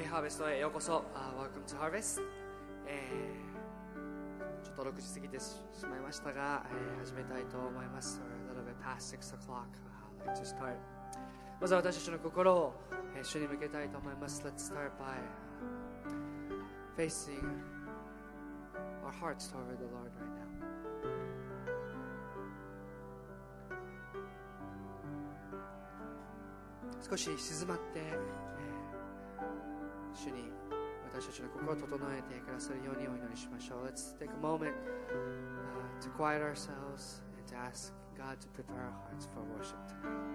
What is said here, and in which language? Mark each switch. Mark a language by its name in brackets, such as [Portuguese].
[Japanese] ハーベストへようこそ。 [English] Welcome to Harvest。 [Japanese] ちょっと6時過ぎてしまいましたが、始めたいと思います。 [English] A little bit past 6 o'clock. I'd like to start. [Japanese] まずは私たちの心を主に向けたいと思います。 [English] Let's start by facing our hearts toward the Lord right now. [Japanese] 少し静まって、主に私たちの心を整えてくださるようにお祈りしましょう。 [English] Let's take a moment、to quiet ourselves and to ask God to prepare our hearts for worship today.